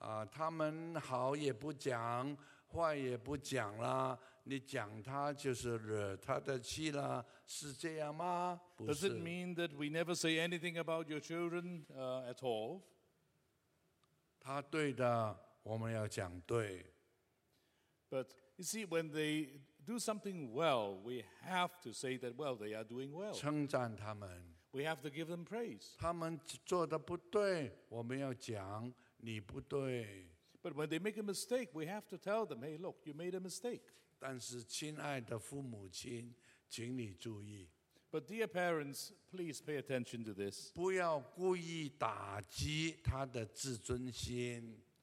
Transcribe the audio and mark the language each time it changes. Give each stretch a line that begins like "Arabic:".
Chinese: 他们好也不讲，坏也不讲了。你讲他就是惹他的气了，是这样吗？不是。
English: Does it mean that we never say anything about your children at all?
Chinese: 他对的，我们要讲对。
English: But you see, when they do something well, we have to say that well, they are doing well.
Chinese: 称赞他们。
English: We have to give them praise.
Chinese: 他们做的不对，我们要讲你不对。
English: But when they make a mistake, we have to tell them, "Hey, look, you made a mistake."
Chinese: 但是，亲爱的父母亲，请你注意。
English: But dear parents, please pay attention to this.
Chinese: 不要故意打击他的自尊心。